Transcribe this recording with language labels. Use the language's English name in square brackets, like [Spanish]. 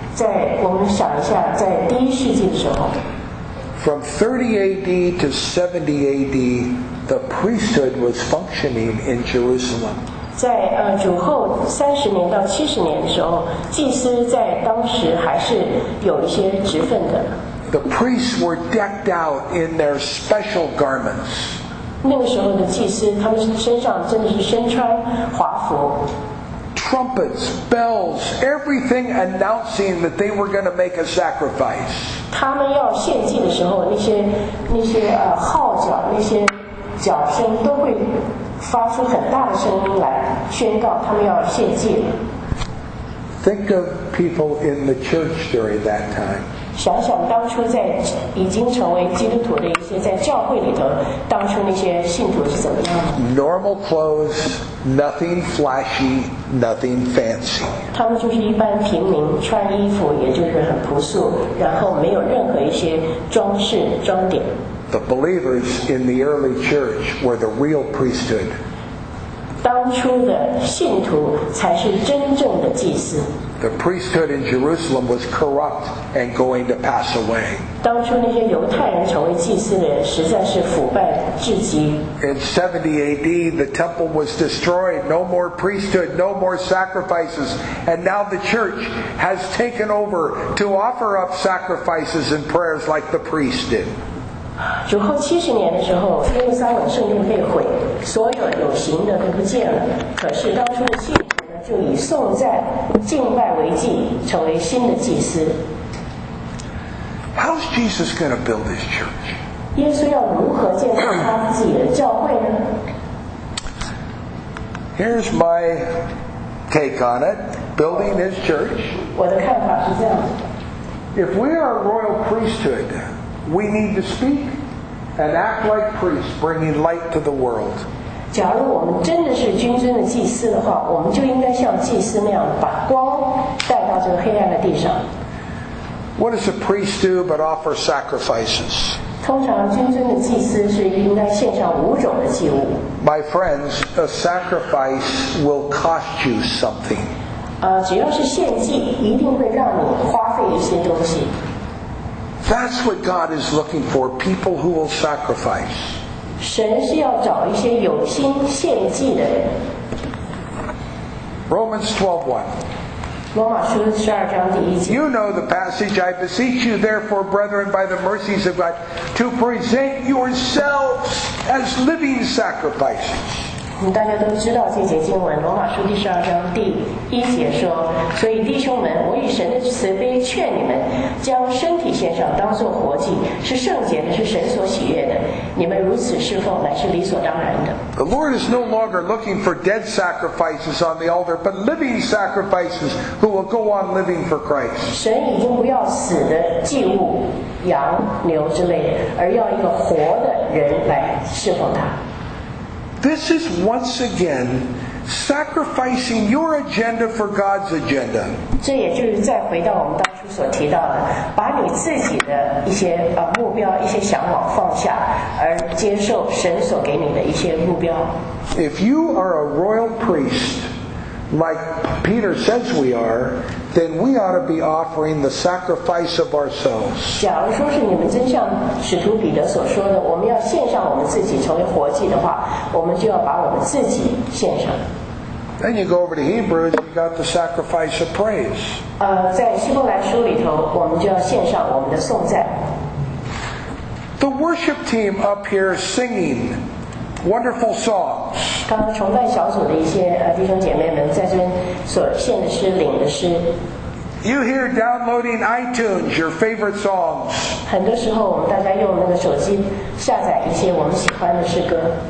[Chinese] 在我们想一下，在第一世纪的时候。 [English] From 30 AD to 70 AD, the priesthood was functioning in Jerusalem. [Chinese] 在主后30年到70年的时候，祭司在当时还是有一些职分的。 [English] The priests were decked out in their special garments. [Chinese] 那个时候的祭司，他们身上真的是身穿华服。 [English] Trumpets, bells, everything announcing that they were going to make a sacrifice. [Chinese] 他们要献祭的时候，那些号角，那些角声都会发出很大的声音来宣告他们要献祭。 [English] Think of people in the church during that time. [Chinese] 想想当初在已经成为基督徒的一些在教会里头，当初那些信徒是怎么样的 [English] ？Normal clothes, nothing flashy. Nothing fancy. [Chinese] 他们就是一般平民，穿衣服也就是很朴素，然后没有任何一些装饰装点。 [English] The believers in the early church were the real priesthood. [Chinese] 当初的信徒才是真正的祭司。 [English] The priesthood in Jerusalem was corrupt and going to pass away. [Chinese] 当初那些犹太人成为祭司的人实在是腐败至极。 [English] In 70 AD, the temple was destroyed. No more priesthood, no more sacrifices. And now the church has taken over to offer up sacrifices and prayers like the priests did. [Chinese] 主后七十年的时候，耶路撒冷圣殿被毁，所有有形的都不见了。可是当初的信就以颂赞敬拜为祭，成为新的祭司。 [English] How's Jesus going to build his church? [Chinese] 耶稣要如何建造他自己的教会呢？ [English] Here's my take on it. Building his church. [Chinese] 我的看法是这样。 [English] If we are a royal priesthood, we need to speak and act like priests, bringing light to the world. [Chinese] 假如我们真的是君尊的祭司的话，我们就应该像祭司那样把光带到这个黑暗的地上。 [English] What does a priest do but offer sacrifices? [Chinese] 通常君尊的祭司是应该献上五种的祭物。 [English] My friends, a sacrifice will cost you something. [Chinese] 只要是献祭，一定会让你花费一些东西。 [English] That's what God is looking for, people who will sacrifice. [Chinese] 神是要找一些有心献祭的人。 [English] Romans 12:1 [Chinese] 罗马书十二章第一节。 [English] You know the passage. I beseech you, therefore, brethren, by the mercies of God, to present yourselves as living sacrifices. [Chinese] 大家都知道这节经文，罗马书第十二章第一节说，所以弟兄们，我以神的慈悲劝你们，将身体献上，当作活祭，是圣洁的，是神所喜悦的，你们如此侍奉乃是理所当然的。 [English] The Lord is no longer looking for dead sacrifices on the altar, but living sacrifices who will go on living for Christ. [Chinese] 神已经不要死的祭物，羊牛之类的，而要一个活的人来侍奉他。 [English] This is once again sacrificing your agenda for God's agenda. [Chinese] 这也就是再回到我们当初所提到的，把你自己的一些目标、一些向往放下，而接受神所给你的一些目标。 [English] If you are a royal priest, like Peter says we are, then we ought to be offering the sacrifice of ourselves. [Chinese] 假如说是你们真像使徒彼得所说的，我们要献上我们自己成为活祭的话，我们就要把我们自己献上。 [English] Then you go over to Hebrews, you got the sacrifice of praise. [Chinese] 在希伯来书里头，我们就要献上我们的颂赞。 [English] The worship team up here singing wonderful songs. [Chinese] 刚刚崇拜小组的一些弟兄姐妹们在这边所献的诗、领的诗。 [English] You hear downloading iTunes your favorite songs. [Chinese] 很多时候我们大家用那个手机下载一些我们喜欢的诗歌。